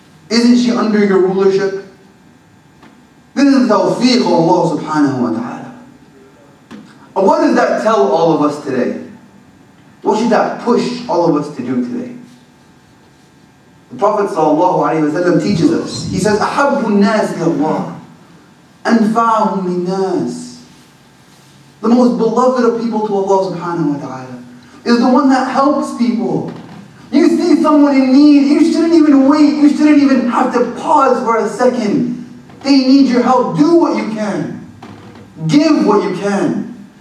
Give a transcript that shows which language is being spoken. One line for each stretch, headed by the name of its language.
English: Isn't she under your rulership? This is the tawfiq of Allah subhanahu wa ta'ala. And what does that tell all of us today? What should that push all of us to do today? The Prophet sallallahu alayhi wa sallam teaches us. He says,
Arabic: أَحَبُّ النَّاسِ لِلَّهِ أَنْفَعُهُمْ لِلنَّاسِ.
English: The most beloved of people to Allah subhanahu wa ta'ala is the one that helps people. You see someone in need, you shouldn't even wait. You shouldn't even have to pause for a second. They need your help. Do what you can. Give what you can.